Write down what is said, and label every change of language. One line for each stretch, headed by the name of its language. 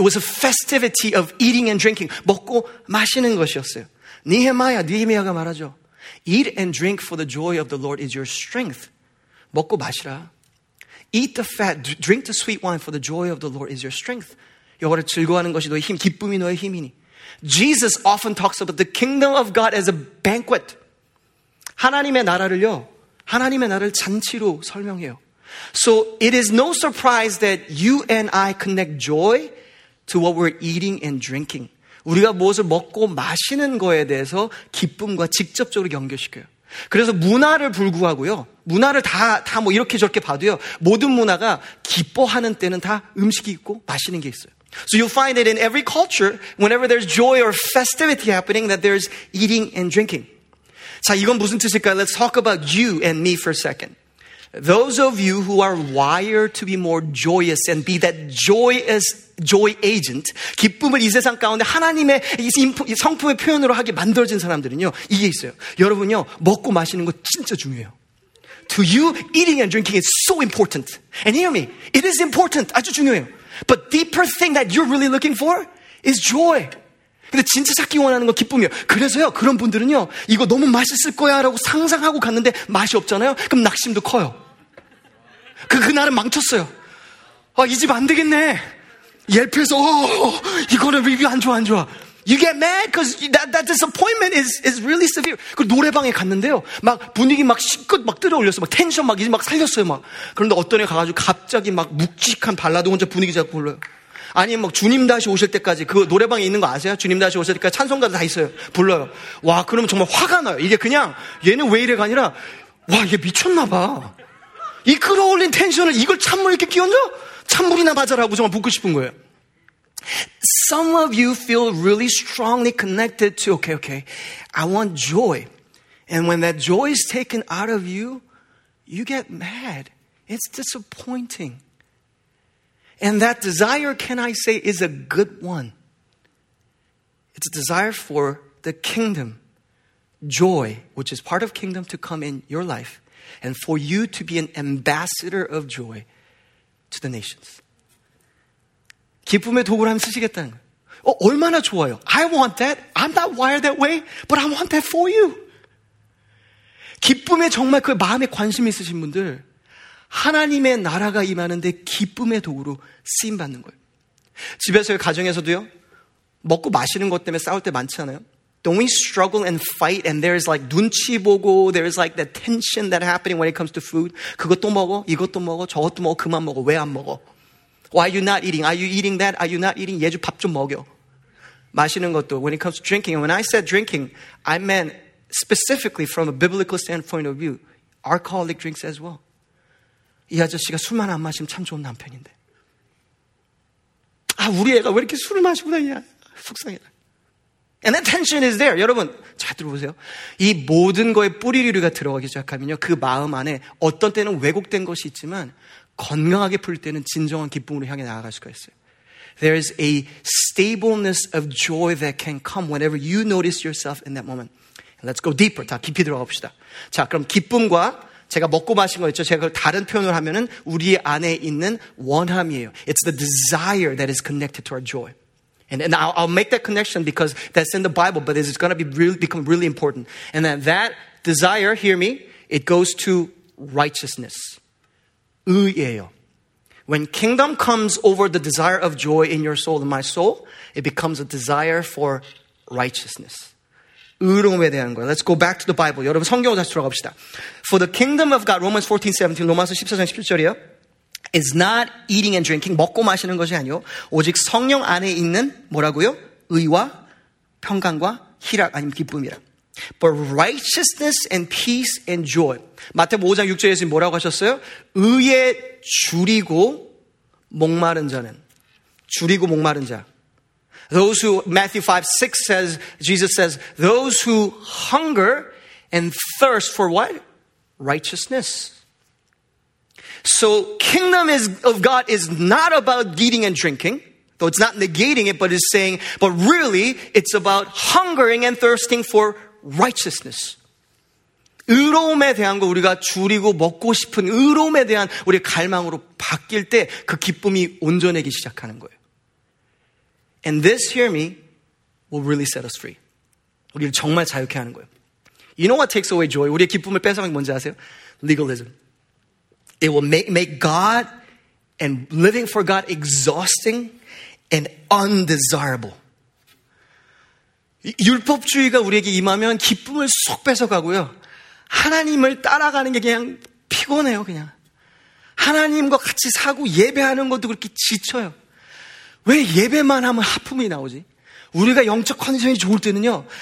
English: It was a festivity of eating and drinking.
Korean: 먹고 마시는 것이었어요. 느헤미야가 말하죠.
English: Eat and drink for the joy of the Lord is your strength.
Korean: 먹고 마시라.
English: Eat the fat, drink the sweet wine for the joy of the Lord is your strength.
Korean: 여호와를 즐거워하는 것이 너의 힘, 기쁨이 너의 힘이니.
English: Jesus often talks about the kingdom of God as a banquet.
Korean: 하나님의 나라를요, 하나님의 나라를 잔치로 설명해요.
English: So it is no surprise that you and I connect joy to what we're eating and drinking.
Korean: 우리가 무엇을 먹고 마시는 거에 대해서 기쁨과 직접적으로 연결시켜요. 그래서 문화를 불구하고요. 문화를 다 이렇게 저렇게 봐도요. 모든 문화가 기뻐하는 때는 다 음식이 있고 마시는 게 있어요.
English: So you'll find that in every culture, whenever there's joy or festivity happening, that there's eating and drinking.
Korean: 자, 이건 무슨 뜻일까요?
English: Let's talk about you and me for a second. Those of you who are wired to be more joyous and be that joyous joy agent,
Korean: 기쁨을 이 세상 가운데 하나님의 성품의 표현으로 하게 만들어진 사람들은요, 이게 있어요. 여러분요, 먹고 마시는 거 진짜 중요해요.
English: To you, eating and drinking is so important. And hear me, it is important,
Korean: 아주 중요해요.
English: But deeper thing that you're really looking for is joy.
Korean: 근데 진짜 찾기 원하는 건 기쁨이에요. 그래서요, 그런 분들은요, 이거 너무 맛있을 거야 라고 상상하고 갔는데 맛이 없잖아요? 그럼 낙심도 커요. 그날은 망쳤어요. 아, 이 집 안 되겠네. 옐프에서 이거는 리뷰 안 좋아. You get mad because that disappointment is really severe. 그 노래방에 갔는데요. 막 분위기 막 시끄럽 막 들어올렸어. 막 텐션 막 이제 막 살렸어요. 막 그런데 어떤 애 가가지고 갑자기 막 묵직한 발라드 혼자 분위기 잡고 불러요. 아니 막 주님 다시 오실 때까지 그 노래방에 있는 거 아세요? 주님 다시 오실 때까지 찬송가도 다 있어요. 불러요. 와 그러면 정말 화가 나요. 이게 그냥 얘는 왜 이래가 아니라 와 이게 미쳤나봐. 이 끌어올린 텐션을 이걸 찬물 이렇게 끼얹어? 찬물이나 맞아라고 정말 붓고 싶은 거예요.
English: Some of you feel really strongly connected to, okay, I want joy. And when that joy is taken out of you, you get mad. It's disappointing. And that desire, can I say, is a good one. It's a desire for the kingdom, joy, which is part of kingdom to come in your life, and for you to be an ambassador of joy to the nations.
Korean: 기쁨의 도구를 한번 쓰시겠다는 거예요. 얼마나 좋아요.
English: I want that. I'm not wired that way, but I want that for you.
Korean: 기쁨에 정말 그 마음에 관심 있으신 분들, 하나님의 나라가 임하는데 기쁨의 도구로 쓰임받는 거예요. 집에서의 가정에서도요. 먹고 마시는 것 때문에 싸울 때 많지 않아요?
English: Don't we struggle and fight and there is like
Korean: 눈치 보고,
English: there is like the tension that happening when it comes to food.
Korean: 그것도 먹어, 이것도 먹어, 저것도 먹어, 그만 먹어, 왜 안 먹어?
English: Why are you not eating? Are you eating that? Are you not eating?
Korean: 얘 좀 밥 좀 먹여. 마시는 것도.
English: When it comes to drinking, when I said drinking, I meant specifically from a biblical standpoint of view, alcoholic drinks as well.
Korean: 이 아저씨가 술만 안 마시면 참 좋은 남편인데. 아, 우리 애가 왜 이렇게 술을 마시고 다니냐. 속상해.
English: And that tension is there.
Korean: 여러분, 잘 들어보세요. 이 모든 거에 뿌리류가 들어가기 시작하면요. 그 마음 안에 어떤 때는 왜곡된 것이 있지만 건강하게 풀 때는 진정한 기쁨으로 향해 나아갈 수가 있어요.
English: There is a stableness of joy that can come whenever you notice yourself in that moment. Let's go deeper.
Korean: 다 깊이 들어가 봅시다. 자, 그럼 기쁨과 제가 먹고 마신 거 있죠. 제가 그걸 다른 표현으로 하면은 우리 안에 있는 원함이에요.
English: It's the desire that is connected to our joy. And I'll make that connection because that's in the Bible, but it's going to become really important. And then that desire, hear me, it goes to righteousness.
Korean: 의예요.
English: When kingdom comes over the desire of joy in your soul, in my soul, it becomes a desire for righteousness.
Korean: 의로움에 대한 거예요.
English: Let's go back to the Bible.
Korean: 여러분 성경으로 다시 돌아가 봅시다.
English: For the kingdom of God, Romans 14, 17,
Korean: 로마서 14장 17절이요.
English: is not eating and drinking,
Korean: 먹고 마시는 것이 아니요. 오직 성령 안에 있는 뭐라고요? 의와 평강과 희락 아니면 기쁨이라.
English: But righteousness and peace and joy.
Korean: 마태복음 5장 6절에서 뭐라고 하셨어요? 의에 주리고 목마른 자는 주리고 목마른 자.
English: Those who Matthew 5, 6 says Jesus says those who hunger and thirst for what? Righteousness. So kingdom is, of God is not about eating and drinking, though it's not negating it, but it's saying, but really, it's about hungering and thirsting for righteousness.
Korean: 의로움에 대한 거 우리가 줄이고 먹고 싶은 의로움에 대한 우리 갈망으로 바뀔 때 그 기쁨이 온전해지기 시작하는 거예요.
English: And this, hear me, will really set us free.
Korean: 우리를 정말 자유케 하는 거예요.
English: You know what takes away joy?
Korean: 우리의 기쁨을 뺏어간 게 뭔지 아세요?
English: Legalism. It will make God and living for God exhausting and undesirable.
Korean: 율법주의가 우리에게 임하면 기쁨을 쏙 뺏어가고요. 하나님을 따라가는 게 그냥 피곤해요, 그냥. 하나님과 같이 사고 예배하는 것도 그렇게 지쳐요. 왜 예배만 하면 하품이 나오지? 우리가 영적 컨디션이 좋을 때는요.